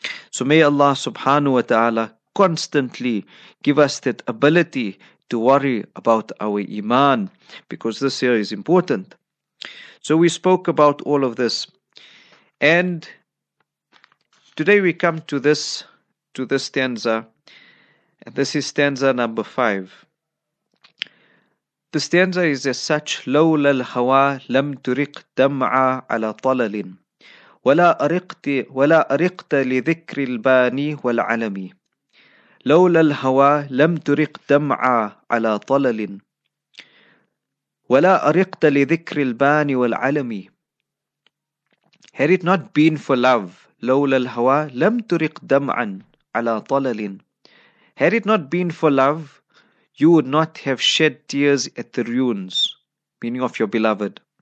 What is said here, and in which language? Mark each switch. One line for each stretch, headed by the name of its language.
English: So may Allah subhanahu wa ta'ala constantly give us that ability to worry about our iman, because this here is important. So we spoke about all of this, and today we come to this stanza. This is stanza number 5. The stanza is as such:
Arabic: لولا الهوى لم ترق دمعا على طلل ولا أرقت لذكر الباني والعلم. لولا الهوى لم ترق دمعا على طلل ولا أرقت لذكر الباني والعلم.
English: Had it not been for love,
Arabic: لولا الهوى لم ترق دمعا على طلل.
English: Had it not been for love, you would not have shed tears at the ruins, meaning of your beloved.